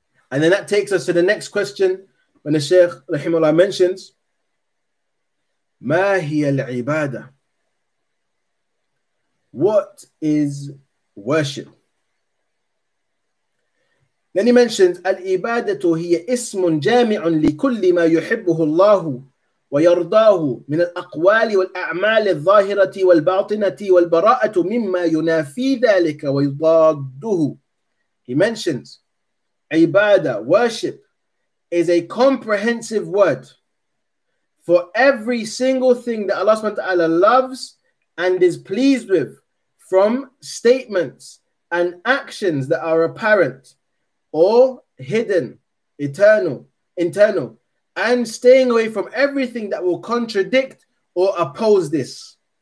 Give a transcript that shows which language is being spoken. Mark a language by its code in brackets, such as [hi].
[en] And then that takes us to the next question. When the Shaykh rahimahullah mentions, [ar] ما هي العبادة؟ [en] What is worship? Then he mentions [ar] الإبادة هي اسم جامع لكل ما يحبه الله ويرضاه من الأقوال والأعمال الظاهرة والباطنة والبراءة مما ينافي ذلك ويضاده. [en] He mentions عبادة, worship, is a comprehensive word for every single thing that Allah subhanahu wa ta'ala loves and is pleased with, from statements and actions that are apparent or hidden, eternal, internal, and staying away from everything that will contradict or oppose this.